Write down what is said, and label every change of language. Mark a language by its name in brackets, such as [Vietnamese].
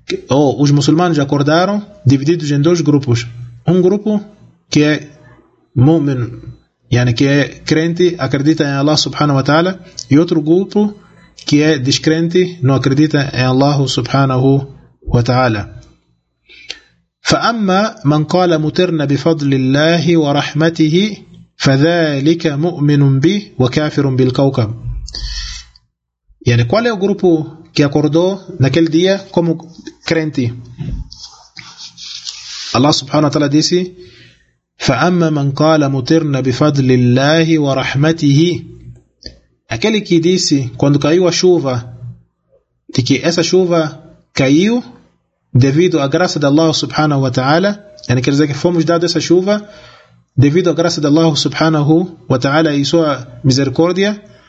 [Portuguese] Os muçulmanos acordaram divididos em dois grupos. Um grupo que é mu'min, que é crente, acredita em Allah subhanahu wa ta'ala, e outro grupo que é descrente, não acredita em Allah subhanahu wa ta'ala. [Arabic] فأما من قال مترنا بفضل الله ورحمته فذلك مؤمن به وكافر بالكوكب. [Portuguese] Qual é o grupo que acordou naquele dia como crente? [Arabic] Allah subhanahu wa ta'ala [Portuguese] disse: [Arabic] فأما من قال مترنا بفضل الله ورحمته. [Portuguese] Aquele que disse, quando caiu a chuva, de que essa chuva caiu devido à graça de Allah subhanahu wa ta'ala, quer dizer que fomos dados essa chuva devido à graça de Allah subhanahu wa ta'ala e sua misericórdia.